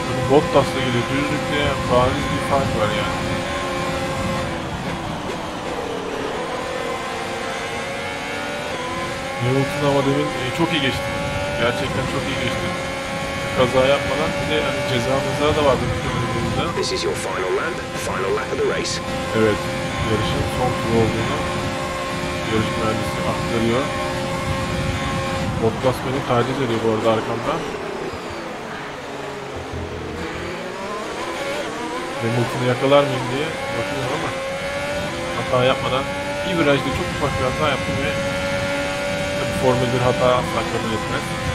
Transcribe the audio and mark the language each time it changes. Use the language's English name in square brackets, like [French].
[Turkish] Bottas'la geliyor düzlükte bariz bir fark var yani. Hamilton ama demin çok iyi geçti. gerçekten çok iyi geçti. Kaza yapmadan bir de hani cezamızda da vardı bütün ürünümüzde. [English] This is your final lap, final lap of the race. [Turkish] Evet, yarışın son turu olduğunu yarış mühendisi aktarıyor. Bottas beni tercih ediyor bu arada arkamda. Hamilton'u yakalar mıyım diye bakıyorum ama hata yapmadan bir virajda çok ufak bir hata yaptım ve tabii Formula 1 hata asla kabul etmez.